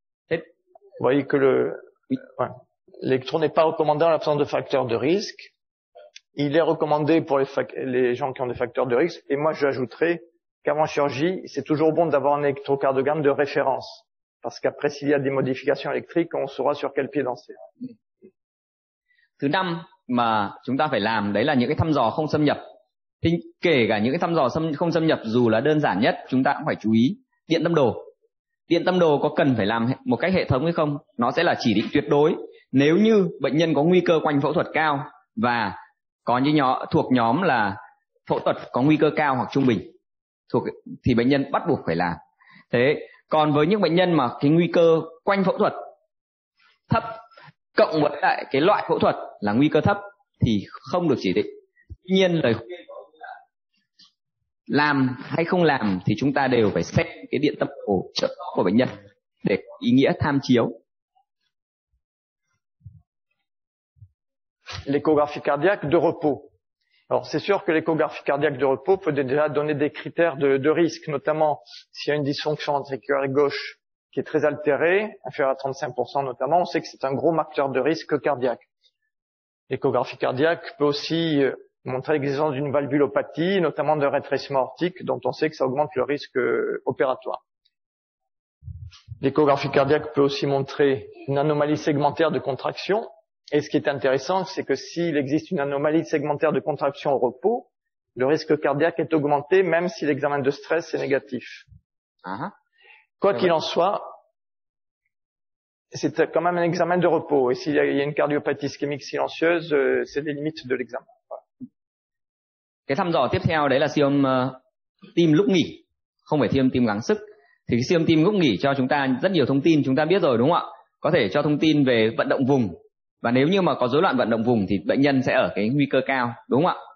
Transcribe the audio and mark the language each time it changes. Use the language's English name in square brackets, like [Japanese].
[French] Vous voyez que l'électro n'est pas recommandé en l'absence de facteurs de risque. Il est recommandé pour les gens qui ont des facteurs de risque. Et moi, j'ajouterais qu'avant chirurgie, c'est toujours bon d'avoir un électrocardiogramme de référence. Parce qu'après, s'il y a des modifications électriques, on saura sur quel pied danser. [Vietnamese] Thứ năm mà chúng ta phải làm, đấy là những cái thăm dò không xâm nhập. Thì kể cả những cái thăm dò không xâm nhập, dù là đơn giản nhất, chúng ta cũng phải chú ý điện tâm đồ. Điện tâm đồ có cần phải làm một cách hệ thống hay không? Nó sẽ là chỉ định tuyệt đối. Nếu như bệnh nhân có nguy cơ quanh phẫu thuật cao và có những thuộc nhóm là phẫu thuật có nguy cơ cao hoặc trung bình thì bệnh nhân bắt buộc phải làm. Thế còn với những bệnh nhân mà cái nguy cơ quanh phẫu thuật thấp cộng với lại cái loại phẫu thuật là nguy cơ thấp thì không được chỉ định. Tuy nhiên lời khuyên của ông là làm hay không làm thì chúng ta đều phải xét cái điện tâm đồ trước đó của bệnh nhân để có ý nghĩa tham chiếu. [French] L'échographie cardiaque de repos. Alors c'est sûr que l'échographie cardiaque de repos peut déjà donner des critères de risque, notamment s'il y a une dysfonction ventriculaire gauche qui est très altérée, inférieure à 35% notamment, on sait que c'est un gros marqueur de risque cardiaque. L'échographie cardiaque peut aussi montrer l'existence d'une valvulopathie, notamment de rétrécissement aortique, dont on sait que ça augmente le risque opératoire. L'échographie cardiaque peut aussi montrer une anomalie segmentaire de contraction. Et ce qui est intéressant, c'est que s'il existe une anomalie segmentaire de contraction au repos, le risque cardiaque est augmenté même si l'examen de stress est négatif. Quoi qu'il en soit, c'est quand même un examen de repos. Et s'il y a une cardiopathie ischémique silencieuse, c'est les limites de l'examen. [Vietnamese] Cái thăm dò tiếp theo đấy là siêu âm tim lúc nghỉ, không phải siêu âm tim gắng sức. Thì siêu âm tim lúc nghỉ cho chúng ta rất nhiều thông tin, chúng ta biết rồi đúng không ạ? Có thể cho thông tin về vận động vùng. Và nếu như mà có rối loạn vận động vùng thì bệnh nhân sẽ ở cái nguy cơ cao, đúng không ạ?